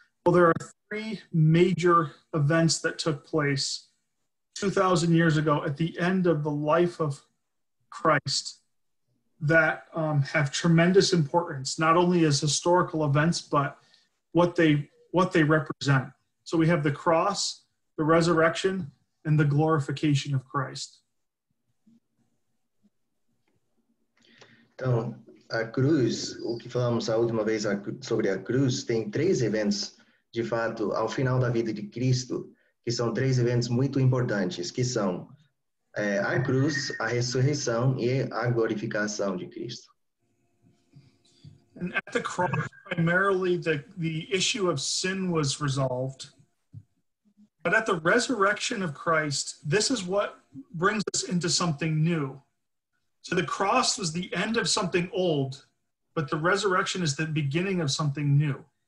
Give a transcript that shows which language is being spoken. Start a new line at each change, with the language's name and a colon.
English: Well, there are three major events that took place 2,000 years ago at the end of the life of Christ that have tremendous importance, not only as historical events, but what they represent. So we have the cross, the resurrection, and the glorification of Christ.
Portuguese: Então, a cruz, o que falamos a última vez sobre a cruz, tem três eventos, de fato, ao final da vida de Cristo, que são três eventos muito importantes, que são a cruz, a ressurreição e a glorificação de Cristo.
English: And at the cross, primarily the issue of sin was resolved. But at the resurrection of Christ, this is what brings us into something new. So the cross was the end of something old, but the resurrection is the beginning of something new.